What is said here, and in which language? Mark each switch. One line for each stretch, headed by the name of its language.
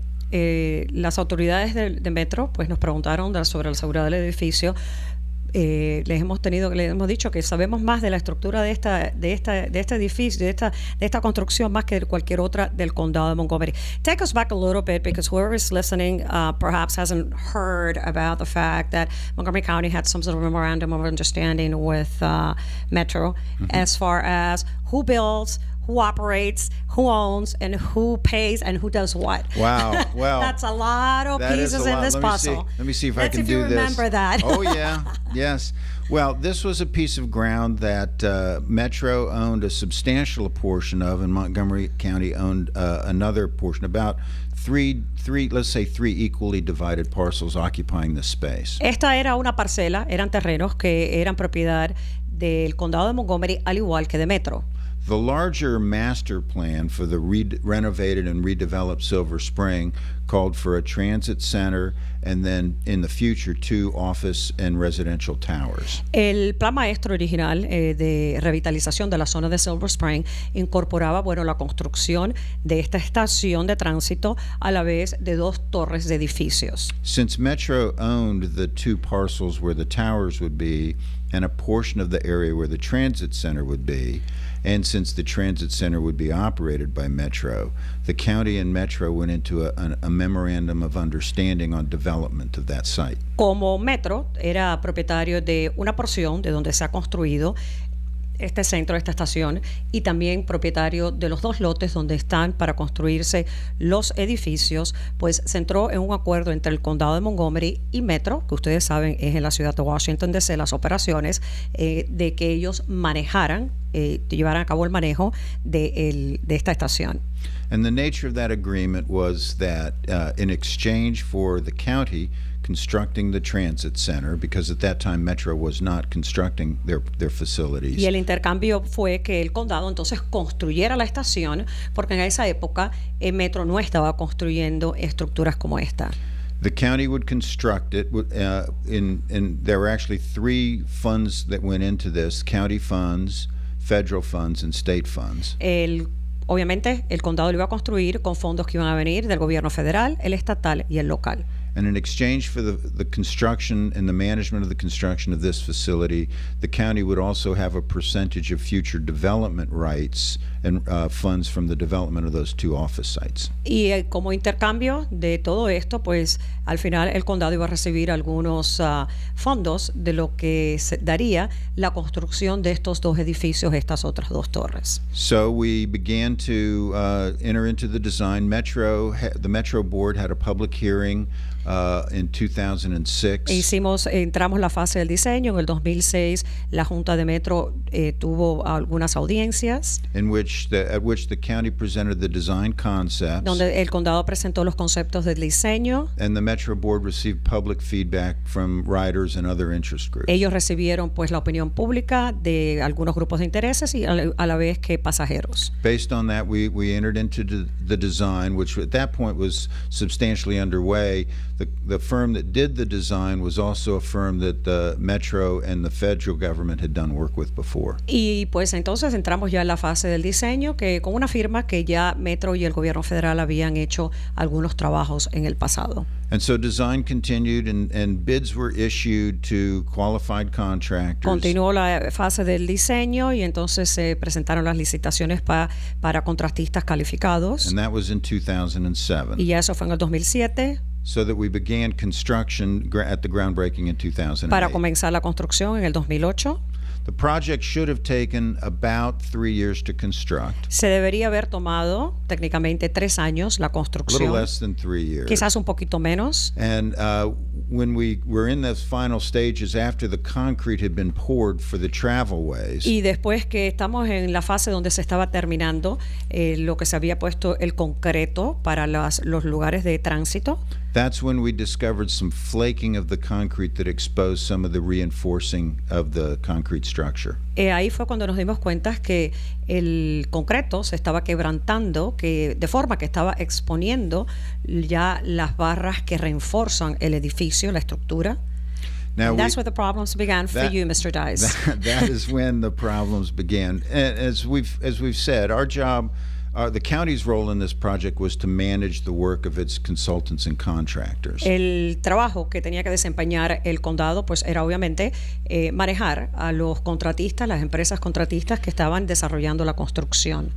Spanish: Las autoridades de Metro pues nos preguntaron sobre la seguridad del edificio. Les hemos dicho que sabemos más de la estructura de esta construcción más que de cualquier otra del condado de Montgomery.
English: Take us back a little bit, because whoever is listening perhaps hasn't heard about the fact that Montgomery County had some sort of memorandum of understanding with Metro, mm-hmm. as far as who builds, who operates, who owns, and who pays, and who does what. Wow, well. That's a lot of pieces in this puzzle. Let me see if That's I can if do you this. Remember that. Oh, yeah, yes. Well, this was a piece of ground that Metro owned a substantial portion of, and Montgomery County owned another portion, about three equally divided parcels occupying the space.
Spanish: Esta era una parcela, eran terrenos que eran propiedad del condado de Montgomery, al igual que de Metro.
English: The larger master plan for the renovated and redeveloped Silver Spring called for a transit center and then, in the future, two office and residential towers.
Spanish: El plan maestro original de revitalización de la zona de Silver Spring incorporaba, bueno, la construcción de esta estación de tránsito a la vez de dos torres de edificios.
English: Since Metro owned the two parcels where the towers would be and a portion of the area where the transit center would be, and since the transit center would be operated by Metro, the county and Metro went into a memorandum of understanding on development of that site.
Spanish: Como Metro era propietario de una porción de donde se ha construido este centro, esta estación, y también propietario de los dos lotes donde están para construirse los edificios, pues se entró en un acuerdo entre el condado de Montgomery y Metro, que ustedes saben es en la ciudad de Washington DC, las operaciones, de que ellos manejaran, llevaran a cabo el manejo de esta estación.
English: And the nature of that agreement was that in exchange for the county constructing the transit center, because at that time Metro was not constructing their facilities.
Spanish: Y el intercambio fue que el condado entonces construyera la estación, porque en esa época Metro no estaba construyendo estructuras como esta.
English: The county would construct it, and there were actually three funds that went into this: county funds, federal funds, and state funds.
Spanish: Obviamente el condado lo iba a construir con fondos que iban a venir del gobierno federal, el estatal y el local.
English: And in exchange for the construction and the management of the construction of this facility, the county would also have a percentage of future development rights and funds from the development of those two office sites.
Spanish: Y como intercambio de todo esto, pues al final el condado iba a recibir algunos fondos de lo que se daría la construcción de estos dos edificios, estas otras dos torres.
English: So we began to enter into the design. The Metro Board had a public hearing in 2006.
Spanish: Entramos la fase del diseño. En el 2006, la Junta de Metro tuvo algunas audiencias.
English: At which the county presented the design concepts.
Spanish: Donde el condado presentó los conceptos del diseño.
English: And the Metro Board received public feedback from riders and other interest groups.
Spanish: Ellos recibieron pues la opinión pública de algunos grupos de intereses y a la vez que pasajeros.
English: Based on that, we entered into the design, which at that point was substantially underway. The firm that did the design was also a firm that the Metro and the federal government had done work with before.
Spanish: Y pues entonces entramos ya en la fase del diseño, que con una firma que ya Metro y el gobierno federal habían hecho algunos trabajos en el pasado.
English: And so design continued, and bids were issued to qualified contractors.
Spanish: Continuó la fase del diseño y entonces se presentaron las licitaciones para contratistas calificados.
English: And that was in 2007.
Spanish: Y ya eso fue en el 2007.
English: So that we began construction at the groundbreaking in 2008.
Spanish: Para comenzar la construcción en el 2008.
English: The project should have taken about 3 years to construct.
Spanish: Se debería haber tomado técnicamente 3 años la construcción.
English: A little less than 3 years.
Spanish: Quizás un poquito menos.
English: And when we were in those final stages after the concrete had been poured for the travelways.
Spanish: Y después que estamos en la fase donde se estaba terminando lo que se había puesto el concreto para los lugares de tránsito.
English: That's when we discovered some flaking of the concrete that exposed some of the reinforcing of the concrete structure.
Spanish: Ahí fue cuando nos dimos cuenta que el concreto se estaba quebrantando, que de forma que estaba exponiendo ya las barras que reinforzan el edificio, la estructura.
English: Now that's where the problems began for you, Mr. Dice. That is when the problems began. And as we've said, our job. The county's role in this project was to manage the work of its consultants and contractors.
Spanish: El trabajo que tenía que desempeñar el condado, pues, era obviamente manejar a los contratistas, las empresas contratistas que estaban desarrollando la construcción.